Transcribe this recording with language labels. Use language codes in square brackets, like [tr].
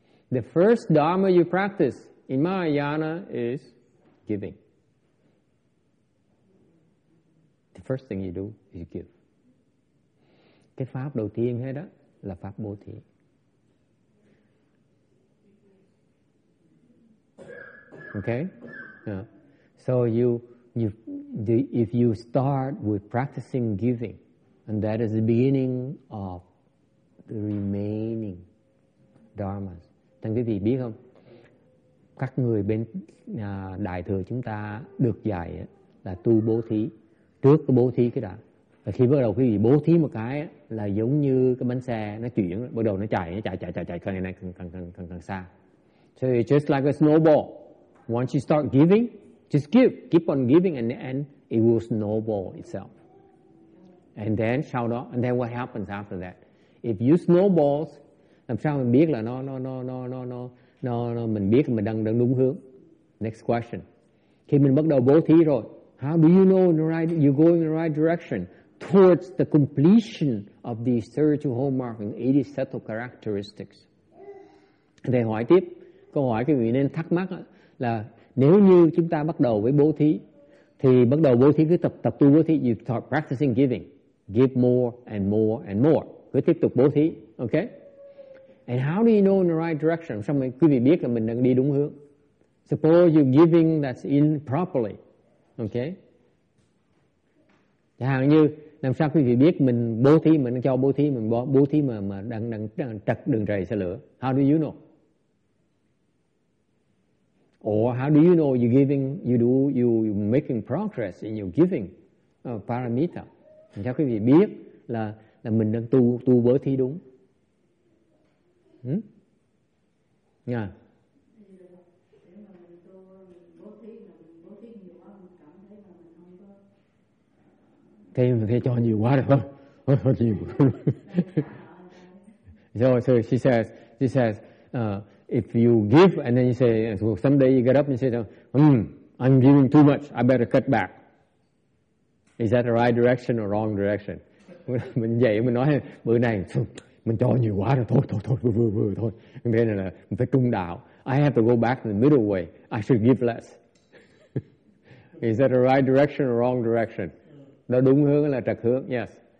[en] The first Dharma you practice in Mahayana is giving. The first thing you do is you give. [vi] Cái Pháp đầu tiên hết đó là Pháp Bố Thí. [en] Okay? Yeah. So if you start with practicing giving, and that is the beginning of the remaining dharmas. [vi] Thằng quý vị biết không? Các người bên đại thừa chúng ta được dạy là tu bố thí. Trước bố thí cái đã. Và khi bắt đầu quý vị bố thí một cái là giống như cái bánh xe nó chuyển, bắt đầu nó chạy càng xa. [en] So it's just like a snowball. Once you start giving, just give. Keep on giving and it will snowball itself. And then what happens after that? If you snowballs, [vi] làm sao mình biết là nó mình biết là mình đang đúng hướng. [en] Next question. [vi] Khi mình bắt đầu bố thí rồi, [en] how do you know you're going in the right direction towards the completion of the 32 hallmarks and 80 subtle characteristics? [vi] Thầy hỏi tiếp. Câu hỏi quý vị nên thắc mắc là nếu như chúng ta bắt đầu với bố thí, thì bắt đầu bố thí cứ tập tu bố thí, [en] you start practicing giving, give more and more [vi] and more, cứ tiếp tục bố thí, okay? [en] And how do you know in the right direction? [vi] Xong rồi quý vị biết là mình đang đi đúng hướng. [en] Suppose you're giving that's in properly, okay? [vi] Chẳng hạn như làm sao quý vị biết mình bố thí, mình cho bố thí, mình bố thí mà đang trật đường trời xe lửa? [en] How do you know? Or how do you know you're giving, you're making progress in your giving paramita? [vi] Thì cho quý vị biết là mình đang tu bố thí đúng. Nha. Thì cho nhiều quá được không? [en] Rồi, she says, if you give and then you say, so someday you get up and you say, I'm giving too much, I better cut back. Is that the right direction or wrong direction? [vi] Mình dậy mình nói bữa nay mình cho nhiều quá rồi, thôi. Thế này là mình phải trung đạo. [en] I have to go back to the middle way. I should give less. Is that the right direction or wrong direction? [vi] Đó đúng hướng là trật hướng, yes.